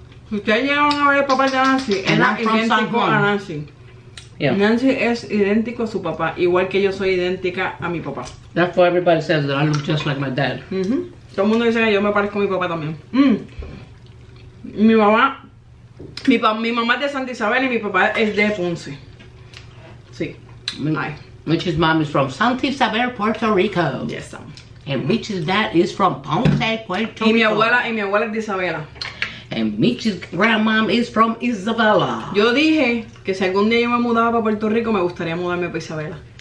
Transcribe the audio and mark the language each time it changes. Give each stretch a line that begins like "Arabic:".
Spanish: Ustedes llegaron a ver el papá de Nancy. Era idéntico a Nancy.
English: Yeah.
Spanish: Nancy es idéntico a su papá, igual que yo soy idéntica a mi papá.
English: That's why everybody says that I look just like my dad. Mm-hmm.
Spanish: Todo el mundo dice que yo me parezco a mi papá también. Mi mamá. Mi mamá es de Santa Isabel y mi papá es de Ponce. Sí.
English: Ay. Mitch's mom is from Santa Isabel, Puerto Rico. Yes, ma'am. And Mitch's dad is from Ponce, Puerto Rico.
Spanish: Y mi abuela es de Isabela.
English: And Mitch's grandma is from Isabela.
Spanish: Yo dije que si algún día yo me mudaba para Puerto Rico, me gustaría mudarme para Isabela.